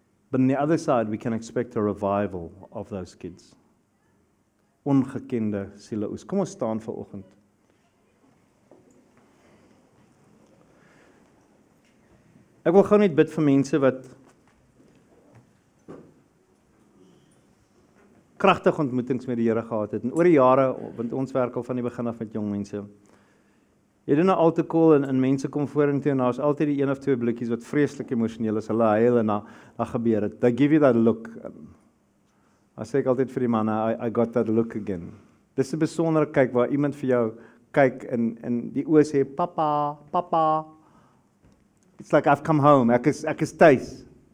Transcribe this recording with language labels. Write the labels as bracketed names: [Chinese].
[English] But on the other side, we can expect a revival of those kids. [Afrikaans] Ongekende siele oes. Kom ons staan vir oggend. Ek wil gou net bid vir mense wat kragtige ontmoetings met die Here gehad het. En oor die jare, want ons werk al van die begin af met jong mense, jy doen 'n altar call en mense kom vorentoe en daar is altyd die een of twee blikkies wat vreeslik emosioneel is. Hulle huil en daar gebeur het. [English] They give you that look. [Afrikaans] I sê ek altyd vir die manne, [English] I got that look again. [Afrikaans] Dis 'n besondere kyk waar iemand vir jou kyk en die oë sê, papa, papa. [English] It's like I've come home, [Afrikaans] ek is thuis.